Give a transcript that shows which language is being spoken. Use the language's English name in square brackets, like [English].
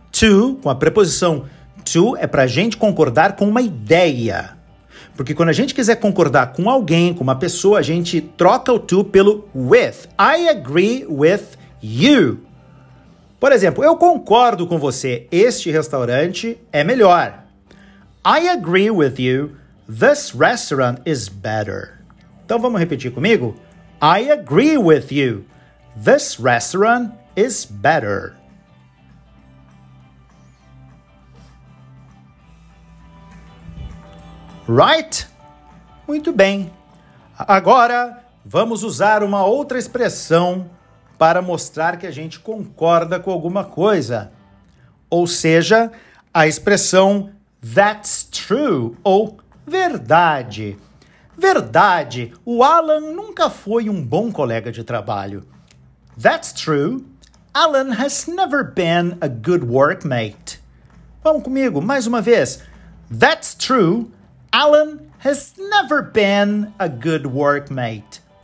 [Portuguese] to, com a preposição to, é para a gente concordar com uma ideia. Porque quando a gente quiser concordar com alguém, com uma pessoa, a gente troca o to pelo with. I agree with you. Por exemplo, eu concordo com você, este restaurante é melhor. [English] I agree with you, this restaurant is better. [Portuguese] Então vamos repetir comigo? I agree with you, this restaurant is better. Right? Muito bem. Agora, vamos usar uma outra expressão para mostrar que a gente concorda com alguma coisa. Ou seja, a expressão that's true, ou verdade. Verdade, o Alan nunca foi um bom colega de trabalho. [English] That's true, Alan has never been a good workmate. [Portuguese] Vamos comigo, mais uma vez. That's true, Alan has never been a good workmate.